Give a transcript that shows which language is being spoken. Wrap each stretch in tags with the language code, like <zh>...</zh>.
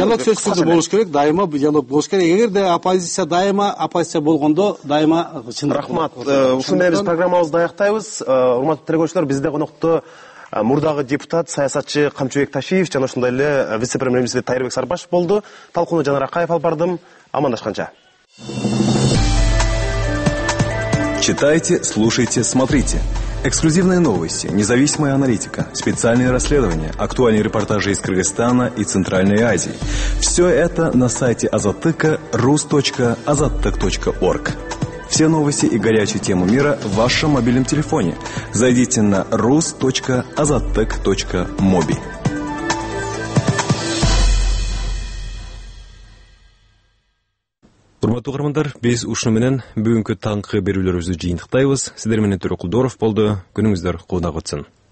<ky>Диалог сөзсүз болуш керек, дайыма диалог болуш керек. Эгерде оппозиция дайыма оппозиция болгондо дайыма чын. Рахмат. Ушул менен биз программабызды аяктайбыз. Урматтуу телекөрүүчүлөр, бизде конокто мурдагы депутат, саясатчы Камчыбек Ташиев жана ошондой эле вице премьер-министр Тайырбек Сарбашев болду. Талкууну Жанар Акаев алып бардым. Амандашканча.</ky> <ru>Читайте, слушайте, смотрите. Эксклюзивные новости, независимая аналитика, специальные расследования, актуальные репортажи из Кыргызстана и Центральной Азии. Все это на сайте Азаттыка rus.azattyk.org. Все новости и горячую тему мира в вашем мобильном телефоне. Зайдите на rus.azattyk.mobi.</ru> <ky>урматтуу угармандар, биз ушуну менен бүгүнкү таңкы берүүлөрүбүздү жыйынтыктайбыз. Сиздер менен Төрөкулдоров болду. Күнүңүздөр кубана кутсун.</ky>